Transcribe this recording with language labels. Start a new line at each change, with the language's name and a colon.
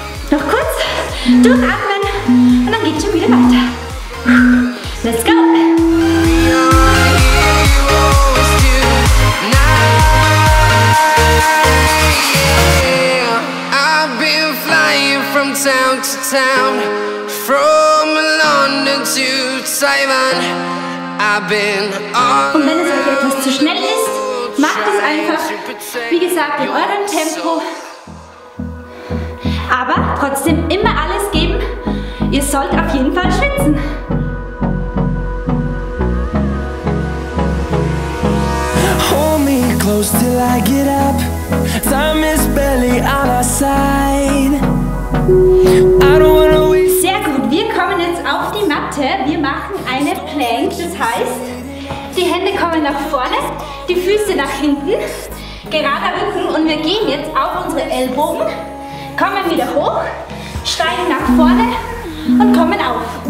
German: Noch kurz durchatmen und dann geht's schon wieder weiter.
English: Let's go! I've been flying from town to town, from London to Taiwan. I've been on.
German: Und wenn es euch etwas zu schnell ist, macht es einfach, wie gesagt, in eurem Tempo. Aber trotzdem immer alles geben. Ihr sollt auf jeden Fall schwitzen.
English: Hold me close till I get up. Time is barely on our side. I don't wanna wait.
German: Sehr gut, wir kommen jetzt auf die Matte. Wir machen eine Plank. Das heißt, die Hände kommen nach vorne, die Füße nach hinten, gerader Rücken und wir gehen jetzt auf unsere Ellbogen. Kommen wieder hoch, steigen nach vorne und kommen auf.